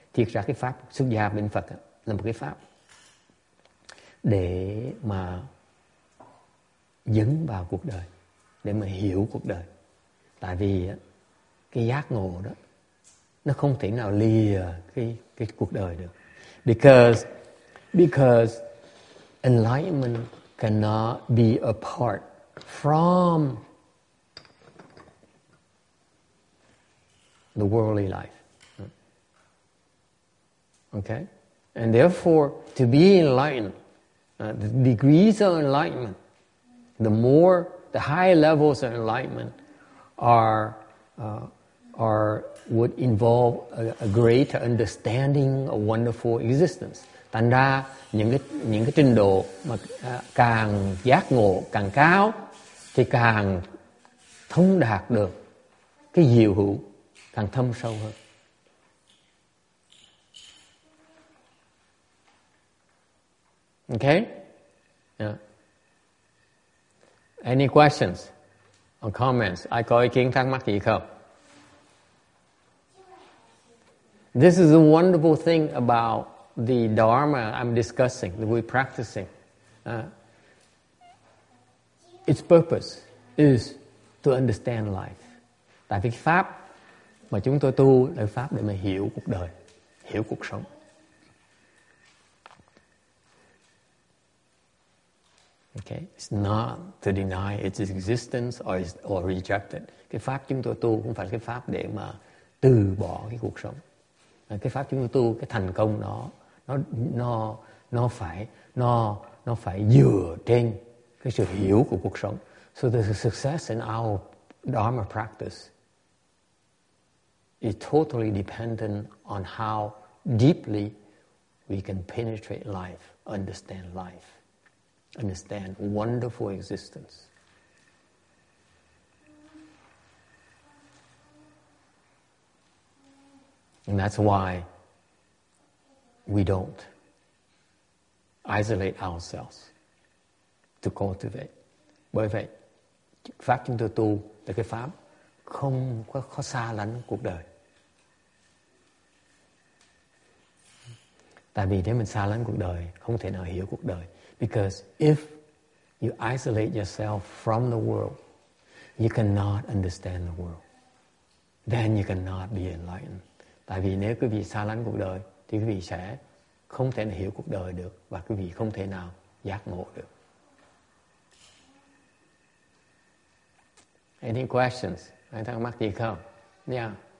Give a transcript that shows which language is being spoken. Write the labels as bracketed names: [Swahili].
[Vietnamese] Thiệt ra cái pháp xuất gia bên Phật là một cái pháp để mà dấn vào cuộc đời, để mà hiểu cuộc đời. Tại vì cái giác ngộ đó nó không thể nào lìa cái cuộc đời được. [English] Because enlightenment cannot be apart from the worldly life. Okay, and therefore, to be enlightened, the degrees of enlightenment, the higher levels of enlightenment, are are would involve a great understanding of wonderful existence. [Vietnamese] Thành ra những cái trình độ mà càng giác ngộ càng cao thì càng thông đạt được cái diệu hữu càng thâm sâu hơn. [English] Okay? Yeah. Any questions or comments? [Vietnamese] Ai có ý kiến thắc mắc gì không? [English] This is a wonderful thing about the Dharma I'm discussing, that we're practicing. Its purpose is to understand life. [Vietnamese] Tại vì cái pháp mà chúng tôi tu là pháp để mà hiểu cuộc đời, hiểu cuộc sống. [English] Okay, it's not to deny its existence or reject it. [Vietnamese] Cái pháp chúng tôi tu không phải cái pháp để mà từ bỏ cái cuộc sống. Cái pháp chúng tôi tu, cái thành công đó, nó phải dựa trên cái sự hiểu của cuộc sống. [English] So the success in our Dharma practice is totally dependent on how deeply we can penetrate life, understand life, understand wonderful existence. And that's why we don't isolate ourselves to cultivate. [Vietnamese] Bởi vậy, pháp chúng tôi tu là cái pháp không có xa lánh cuộc đời. Tại vì nếu mình xa lánh cuộc đời, không thể nào hiểu cuộc đời. [English] Because if you isolate yourself from the world, you cannot understand the world. Then you cannot be enlightened. [Vietnamese] Tại vì nếu quý vị xa lánh cuộc đời, thì quý vị sẽ không thể nào hiểu cuộc đời được và quý vị không thể nào giác ngộ được. [English] Any questions? [Vietnamese] Anh thắc mắc gì không? [English] Yeah.